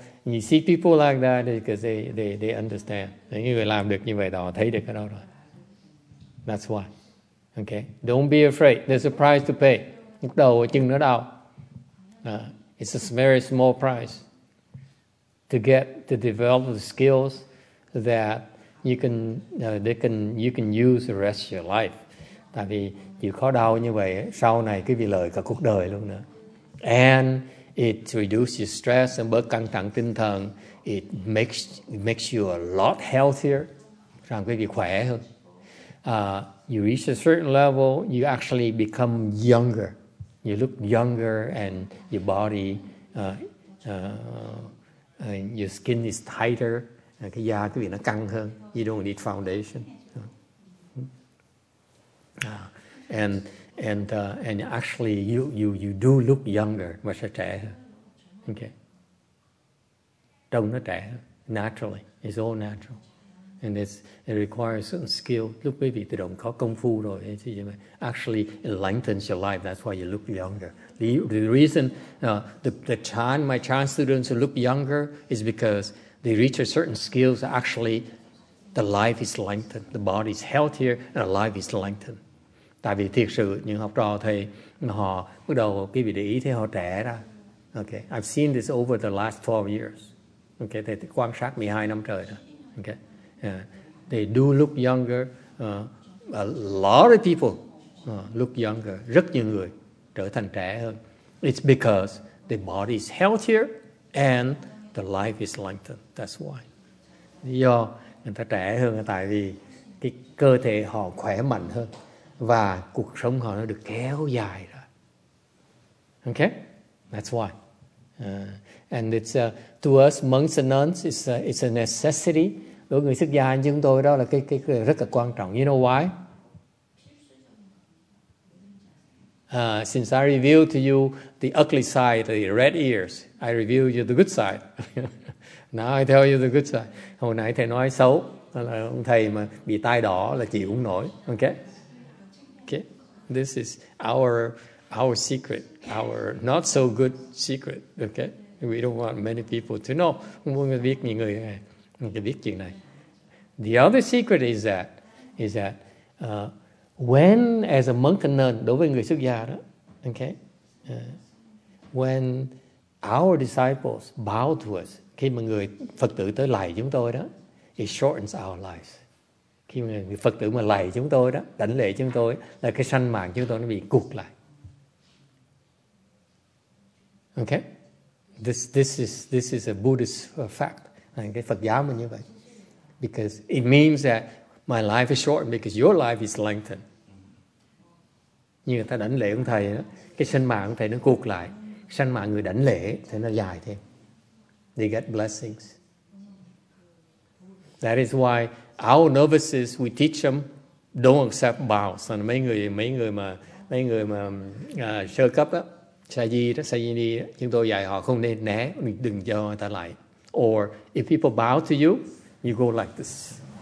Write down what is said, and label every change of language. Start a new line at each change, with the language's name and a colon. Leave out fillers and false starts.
English: You see people like that because they understand.
Vietnamese: Những người làm được như vậy đó, thấy được cái đó rồi.
English: That's why. Okay? Don't be afraid. There's a price to pay.
Vietnamese: Lúc đầu chân nó đau.
English: It's a very small price to get to develop the skills that you can you can use the rest of your life.
Vietnamese: Tại vì chịu khó đau như vậy, sau này cái vị lợi cả cuộc đời luôn nữa.
English: And it reduces stress and
Vietnamese: bớt căng thẳng tinh thần.
English: It makes you a lot healthier.
Vietnamese: Rằng quý vị khỏe hơn.
English: You reach a certain level, you actually become younger. You look younger and your body, and your skin is tighter.
Vietnamese: Cái da quý vị nó căng hơn.
English: You don't need foundation. And actually you do look younger,
Vietnamese: mà sẽ trẻ hơn. Okay. Trông nó trẻ hơn.
English: Naturally, it's all natural, and it requires certain skill.
Vietnamese: Lúc quý vị tự động có công phu rồi,
English: actually it lengthens your life. That's why you look younger. The reason the chan, my chan students who look younger is because they reach a certain skills. Actually, the life is lengthened. The body is healthier, and the life is lengthened.
Vietnamese: Tại vì thiệt sự những học trò thầy họ bắt đầu quý vị để ý thấy họ trẻ ra.
English: Okay, I've seen this over the last 12 years.
Vietnamese: Okay, thầy quan sát 12 năm trời đó. Okay, yeah.
English: They do look younger. A lot of people look younger.
Vietnamese: Rất nhiều người trở thành trẻ hơn.
English: It's because the body is healthier and the life is lengthened. That's why.
Vietnamese: Do người ta trẻ hơn là tại vì cái cơ thể họ khỏe mạnh hơn. Và cuộc sống họ nó được kéo dài rồi.
English: Okay? That's why. And it's to us monks and nuns, it's a necessity.
Vietnamese: Đối với người xuất gia như chúng tôi đó là cái rất là quan trọng.
English: You know why? Since I revealed to you the ugly side, the red ears, I revealed you the good side. Now I tell you the good side.
Vietnamese: Hồi nãy thầy nói xấu, là ông thầy mà bị tai đỏ là chịu không nổi.
English: Okay? This is our secret, our not so good secret. Okay, we don't want many people to know.
Vietnamese: Không muốn biết những người biết chuyện này.
English: The other secret is that when as a monk and nun,
Vietnamese: đối với người xuất gia đó,
English: okay, when our disciples bow to us,
Vietnamese: khi mà người Phật tử tới lạy chúng tôi đó,
English: it shortens our lives.
Vietnamese: Khi mà người Phật tử mà lạy chúng tôi đó, đảnh lễ chúng tôi, là cái sanh mạng chúng tôi nó bị cuột lại.
English: Okay? This is a Buddhist fact.
Vietnamese: Cái Phật giáo mình như vậy.
English: Because it means that my life is shortened because your life is lengthened.
Vietnamese: như người ta đảnh lễ ông thầy đó, cái sinh mạng thầy nó cuộc lại, sinh mạng người đảnh lễ thì nó dài thêm.
English: They get blessings. That is why our novices we teach them don't accept vows.
Vietnamese: And mấy người mà sơ cấp á, sa di đi, chúng tôi dạy họ không nên né, đừng cho người ta lại.
English: Or if people bow to you, you go like this.